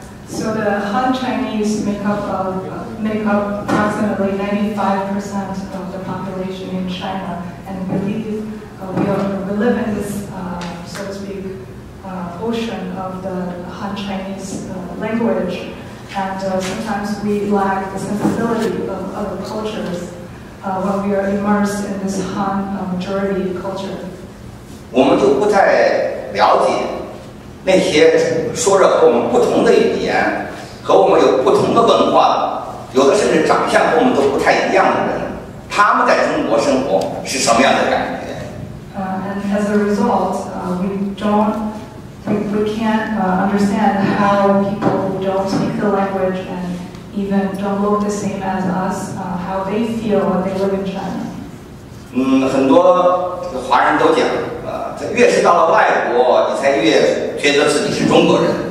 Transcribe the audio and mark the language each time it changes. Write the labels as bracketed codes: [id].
[en] So the Han Chinese make up approximately 95% of the population in China, and we live in this, so to speak, ocean of the Han Chinese language, and sometimes we lack the sensibility of other cultures when we are immersed in this Han majority culture. [zh] 我们就不太了解那些说着和我们不同的语言和我们有不同的文化有的甚至长相和我们都不太一样的人他们在中国生活是什么样的感觉、 [en] And as a result,、we can't understand how people who don't speak the language and even don't look the same as us,、how they feel when they live in China. [zh] 很多华人都讲越是到了外国你才越觉得自己是中国人、